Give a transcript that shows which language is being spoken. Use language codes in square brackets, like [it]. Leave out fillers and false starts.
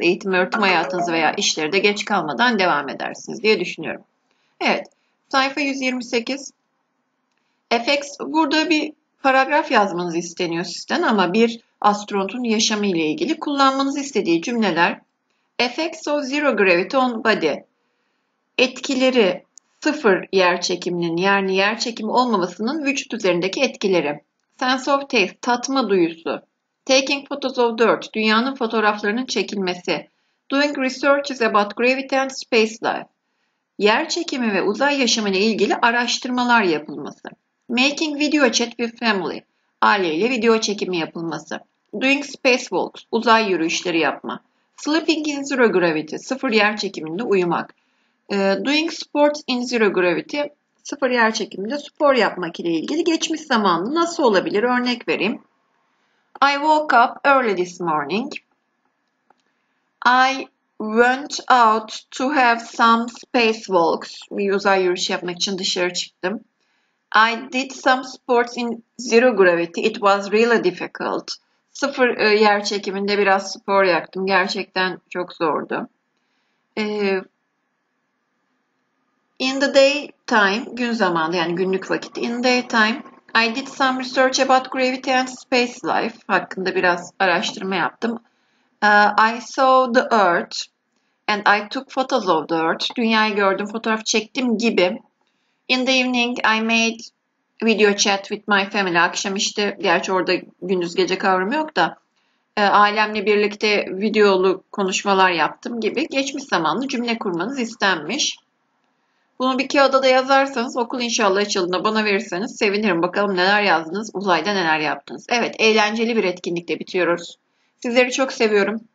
[tr] Eğitim, öğretim hayatınızı veya işleri de geç kalmadan devam edersiniz diye düşünüyorum. Evet, sayfa 128. FX, burada bir paragraf yazmanız isteniyor sizden ama bir astronotun yaşamı ile ilgili kullanmanız istediği cümleler. [en] FX of zero gravity on body. [tr] Etkileri, sıfır yer çekiminin, yani yer çekimi olmamasının vücut üzerindeki etkileri. [en] Sense of taste, [tr] tatma duyusu. [en] Taking photos of dirt, [tr] dünyanın fotoğraflarının çekilmesi. [en] Doing researches about gravity and space life. [tr] Yer çekimi ve uzay yaşamı ile ilgili araştırmalar yapılması. [en] Making video chat with family, [tr] aileyle video çekimi yapılması. [en] Doing space walks, [tr] uzay yürüyüşleri yapma. [en] Sleeping in zero gravity, [tr] sıfır yer çekiminde uyumak. [en] Doing sports in zero gravity, [tr] sıfır yer çekiminde spor yapmak ile ilgili geçmiş zamanlı nasıl olabilir örnek vereyim. [en] I woke up early this morning. I went out to have some space walks. [tr] Bir uzay yürüyüşü yapmak için dışarı çıktım. [en] I did some sports in zero gravity. It was really difficult. [tr] Sıfır yer çekiminde biraz spor yaptım. Gerçekten çok zordu. [en] In the daytime, [tr] gün zamanında yani günlük vakit, [en] in the daytime, I did some research about gravity and space life [tr] hakkında biraz araştırma yaptım. [en] I saw the earth and I took photos of the earth. [tr] Dünyayı gördüm, fotoğraf çektim gibi. [en] In the evening, I made video chat with my family. [tr] Akşam işte, gerçi orada gündüz gece kavramı yok da, ailemle birlikte videolu konuşmalar yaptım gibi geçmiş zamanlı cümle kurmanız istenmiş. Bunu bir kağıda da yazarsanız okul inşallah açıldığında bana verirseniz sevinirim. Bakalım neler yazdınız, uzayda neler yaptınız. Evet, eğlenceli bir etkinlikle bitiyoruz. Sizleri çok seviyorum.